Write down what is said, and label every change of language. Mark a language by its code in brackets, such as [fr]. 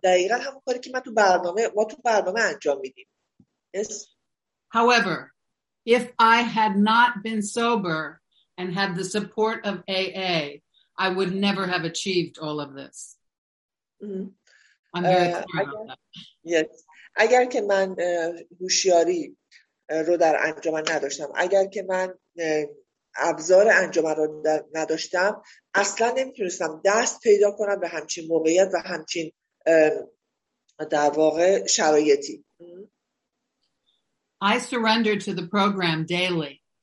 [fa] دقیقا همون کاری که ما تو برنامه انجام میدیم. [en] Yes. However, if I had not been sober and had the support of AA, I would never have achieved all of this. I'm very clear about that. Yes. [fa] اگر که من هوشیاری رو در انجمن نداشتم، اگر که من ابزار انجمن رو نداشتم، اصلا نمیتونستم دست پیدا کنم به همچین موقعیت و همچین در واقع شرایطی. [en] I surrender to the program daily.